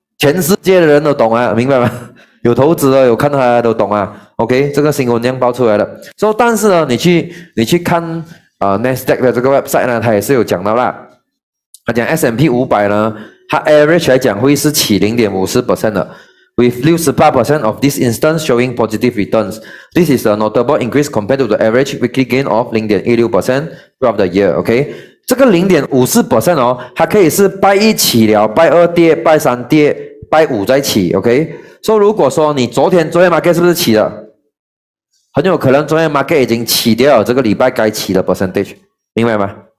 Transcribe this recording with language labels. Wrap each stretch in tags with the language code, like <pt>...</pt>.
<zh>全世界的人都懂啊，明白吗？有投资的有看他都懂啊。 OK, 这个新闻这样爆出来的。所、so, 以但是呢你去看,Nasdaq 的这个 website 呢，他也是有讲到啦。他讲 S&P500 呢，他 average 来讲会是起 0.50% 的。</zh> <en>With 68% of this instance showing positive returns. This is a notable increase compared to the average weekly gain of 0.86% throughout the year.</en> <zh>OK, 这个 0.54% 哦，它可以是拜一起了，拜二跌，拜三跌，拜五再起。 OK,所、so, 以如果说你昨天 market 是不是起的，很有可能昨天 market 已经起掉了这个礼拜该起的 percentage, 明白吗？</zh>